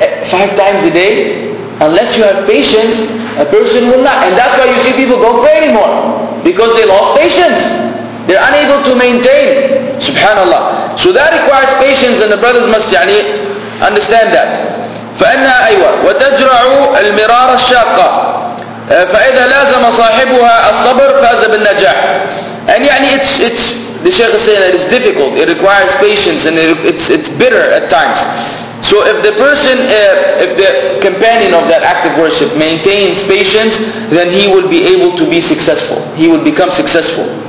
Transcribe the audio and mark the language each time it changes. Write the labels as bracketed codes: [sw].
[en] Five times a day, unless you have patience, a person will not. And that's why you see people don't pray anymore, because they lost patience. They're unable to maintain. Subhanallah. So that requires patience, and the brothers must understand that. [ar] فإنها أيوة وتجرع المرار الشاقة فإذا لازم صاحبها الصبر فاز بالنجاح. [en] And it's the Shaykh is saying that it's difficult, it requires patience, and it's bitter at times. So if the person, if the companion of that act of worship maintains patience, then he will be able to be successful. He will become successful.